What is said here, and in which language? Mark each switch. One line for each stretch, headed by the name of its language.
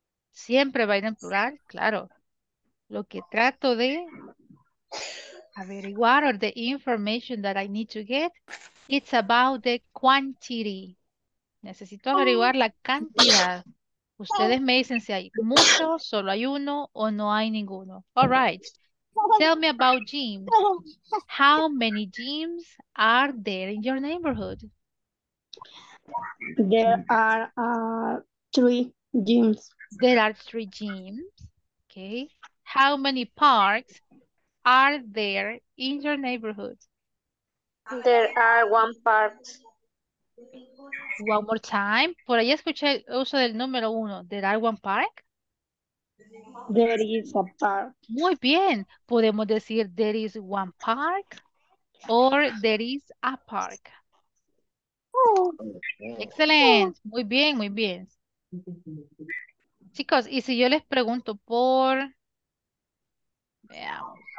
Spanish: Siempre va a ir en plural, claro. Lo que trato de averiguar
English: or the information that I need to get, it's about the quantity.
Spanish: Necesito averiguar la cantidad. Ustedes me dicen si hay muchos, solo hay uno, o no hay ninguno.
English: All right. Tell me about gyms. How many gyms are there in your neighborhood? There are three gyms. There are three gyms. Okay. How many parks are there in your neighborhood? There are one park. One more time.
Spanish: Por ahí escuché el uso del número uno.
English: There are one park. There is a park.
Spanish: Muy bien. Podemos decir
English: there is one park or there is a park.
Spanish: Oh. Excelente. Muy bien, muy bien. Chicos, y si yo les pregunto por... Veamos.